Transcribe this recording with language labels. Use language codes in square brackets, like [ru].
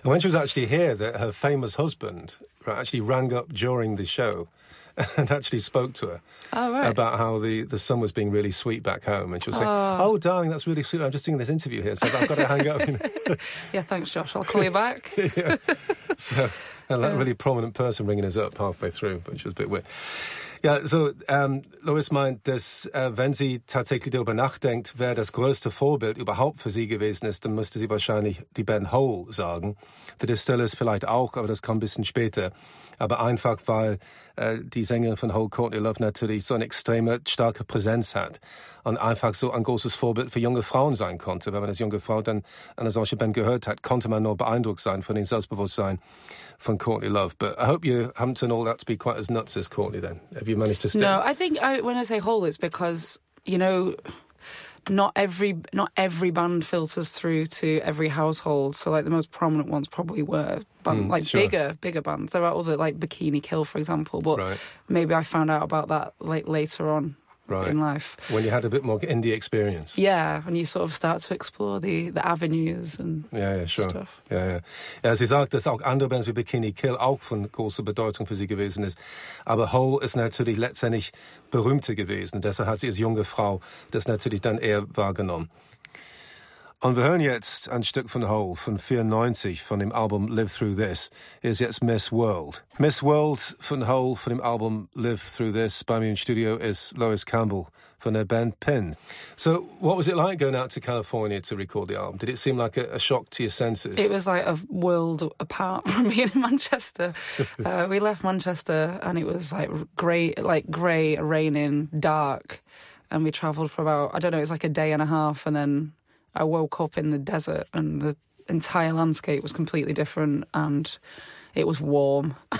[en] And when she was actually here, that her famous husband actually rang up during the show and actually spoke to her about how the sun was being really sweet back home. And she was saying, oh, darling, that's really sweet. I'm just doing this interview here, so I've got to hang up. Yeah, thanks, Josh. I'll call you back. Yeah. So a really prominent person ringing us up halfway through, which was a bit weird. [de] Ja, so Lois meint, dass wenn sie tatsächlich darüber nachdenkt, wer das größte Vorbild überhaupt für sie gewesen ist, dann müsste sie wahrscheinlich die Band Hole sagen. The Distillers vielleicht auch, aber das kommt ein bisschen später. Aber einfach, weil die Sängerin von Hole, Courtney Love, natürlich so eine extreme, starke Präsenz hat und einfach so ein großes Vorbild für junge Frauen sein konnte. Wenn man als junge Frau dann eine solche Band gehört hat, konnte man nur beeindruckt sein von dem Selbstbewusstsein von Courtney Love. [en] But I hope you haven't turned all that to be quite as nuts as Courtney then. Have you managed to stay? No, I think when I say Hole, it's because, you know, not every band filters through to every household. So, like, the most prominent ones probably were bigger bands. There are other, like Bikini Kill, for example. But maybe I found out about that later on in life. When you had a bit more indie experience. Yeah, when you sort of start to explore the avenues and stuff. Yeah, yeah, sure. [de] Ja, sie sagt, dass auch andere Bands wie Bikini Kill auch von großer Bedeutung für sie gewesen ist. Aber Hole ist natürlich letztendlich berühmter gewesen. Deshalb hat sie als junge Frau das natürlich dann eher wahrgenommen. Und wir hören jetzt ein Stück von Hole von 94 von dem Album Live Through This. Hier ist jetzt Miss World. Miss World von Hole von dem Album Live Through This. Bei mir im Studio ist Lois Campbell von der Band Pin. [en] So, what was it like going out to California to record the album? Did it seem like a shock to your senses? It was like a world apart from being in Manchester. We left Manchester and it was like grey, raining, dark. And we travelled for about, I don't know, it was like a day and a half, and then I woke up in the desert and the entire landscape was completely different and it was warm.